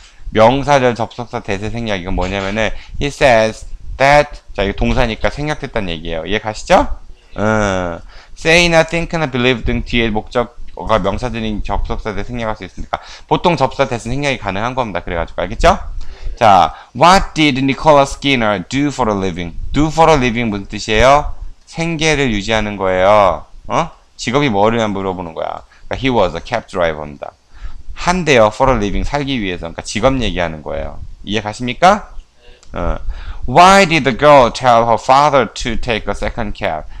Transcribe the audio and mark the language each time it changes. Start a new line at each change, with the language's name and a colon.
Korean: 명사절 접속사 대세 생략 이건 뭐냐면은
English: he says that
Korean: 자 이거 동사니까 생략됐단 얘기예요. 이해 가시죠? say나 think나 believe 등 뒤에 목적 뭐가 명사들인 접속사 대 생략할 수 있습니까? 보통 접속사 대신 생략이 가능한 겁니다. 그래가지고 알겠죠?
English: 자, What did Nicola Skinner do for a living? Do for a living
Korean: 무슨 뜻이에요? 생계를 유지하는 거예요. 어? 직업이 뭐를 물어보는 거야? 그러니까
English: he was a cab driver입니다.
Korean: 한대요.
English: for a living
Korean: 살기 위해서. 그러니까 직업 얘기하는 거예요. 이해 가십니까? 어.
English: Why did the girl tell her father to take a second cab?